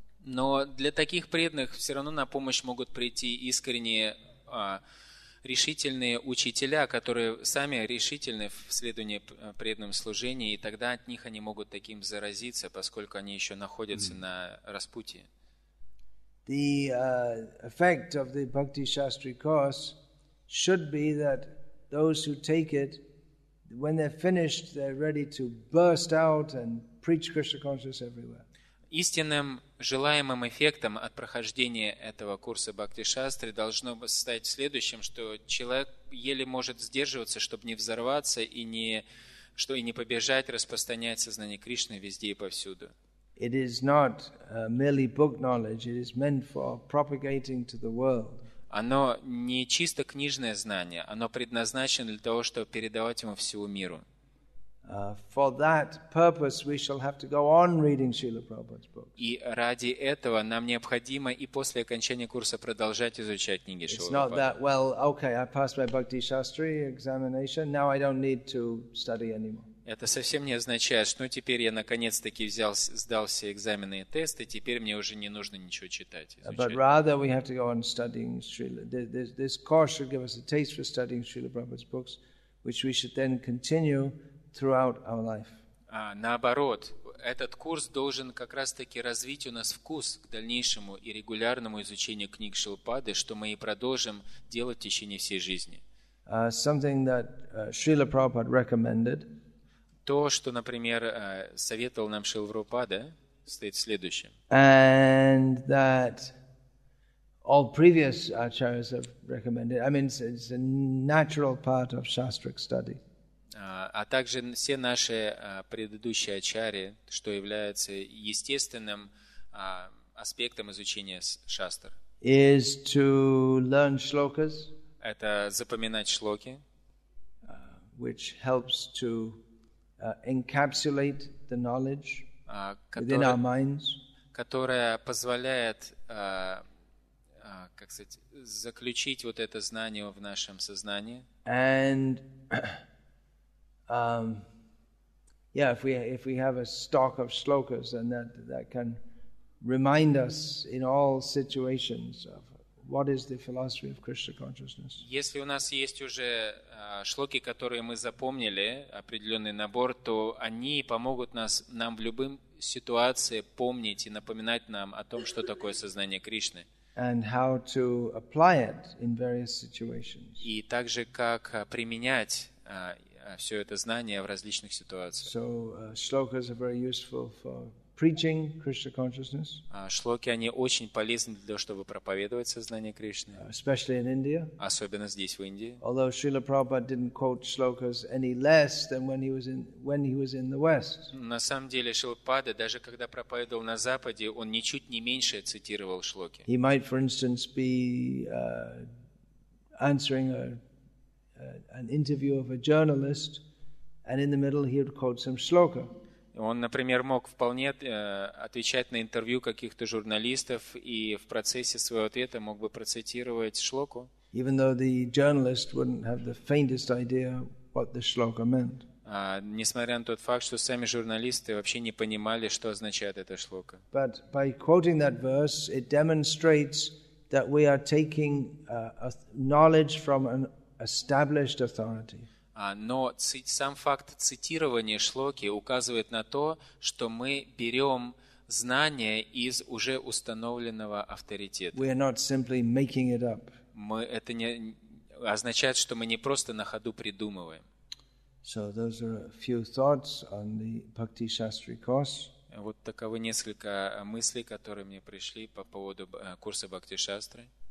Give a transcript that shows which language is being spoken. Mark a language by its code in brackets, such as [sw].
[ru] Но для таких преданных все равно на помощь могут прийти искренние решительные учителя, которые сами решительны в следовании преданным служении, и тогда от них они могут таким заразиться, поскольку они еще находятся на распутье. [en] The effect of the Bhakti Shastri course should be that those who take it, when they're finished, they're ready to burst out and preach Krishna consciousness everywhere. [ru] Истинным желаемым эффектом от прохождения этого курса Бхакти-шастры должно стать следующим, что человек еле может сдерживаться, чтобы не взорваться и не побежать распространять сознание Кришны везде и повсюду. [en] It is not merely book knowledge, it is meant for propagating to the world. [ru] Оно не чисто книжное знание, оно предназначено для того, чтобы передавать ему всему миру. [en] For that purpose, we shall have to go on reading Srila Prabhupada's books. [ru] И ради этого нам необходимо и после окончания курса продолжать изучать книги Шрилы Прабхупады. [en] It's not that, well, okay, I passed my Bhakti Shastri examination, now I don't need to study anymore. [ru] Это совсем не означает, что теперь я наконец-таки взял, сдал все экзамены и тесты, теперь мне уже не нужно ничего читать, изучать. [en] But rather we have to go on studying Srila. This course should give us a taste for studying Srila Prabhupada's books, which we should then continue throughout our life. [ru] Наоборот, этот курс должен как раз-таки развить у нас вкус к дальнейшему и регулярному изучению книг Шилпады, что мы и продолжим делать в течение всей жизни. [en] Something that Srila Prabhupada recommended. [ru] То, что, например, советовал нам Шрила Прабхупада, стоит в следующем. [en] And that all previous acharyas have recommended. I mean, it's a natural part of Shastric study. [ru] А также все наши предыдущие ачари, что является естественным аспектом изучения шастр. [en] Is to learn shlokas. [ru] Это запоминать шлоки. [en] Which helps to encapsulate the knowledge within our minds. [ru] Которая позволяет, как сказать, заключить вот это знание в нашем сознании. [en] And if we have a stock of shlokas, then that can remind us in all situations of what is the philosophy of Krishna consciousness. [ru] Если у нас есть уже шлоки, которые мы запомнили, определенный набор, то они помогут нам в любой ситуации помнить и напоминать нам о том, что такое сознание Кришны. [en] And how to apply it in various situations. [ru] И также как применять все это знание в различных ситуациях. [en] So shlokas are very useful for preaching Krishna consciousness. [ru] Шлоки они очень полезны для того, чтобы проповедовать сознание Кришны. [en] Especially in India. [ru] Особенно здесь, в Индии. [en] Although Srila Prabhupada didn't quote shlokas any less than when he was in the West. [ru] На самом деле Шрила Прабхупада, даже когда проповедовал на Западе, он ничуть не меньше цитировал шлоки. [en] He might, for instance, be answering an interview of a journalist, and in the middle he would quote some shloka. [ru] Он, например, мог вполне отвечать на интервью каких-то журналистов и в процессе своего ответа мог бы процитировать шлоку. [en] Even though the journalist wouldn't have the faintest idea what the shloka meant. [ru] Несмотря на тот факт, что сами журналисты вообще не понимали, что означает эта шлока. [en] But by quoting that verse, it demonstrates that we are taking knowledge from an established authority. [ru] Но сам факт цитирования шлоки указывает на то, что мы берем знания из уже установленного авторитета. [en] We are not simply making it up. [ru] Это не означает, что мы не просто на ходу придумываем. [en] So those are a few thoughts on the Bhakti Shastri course. [ru] Вот таковы несколько мыслей, которые мне пришли по поводу курса Бхакти Шастры.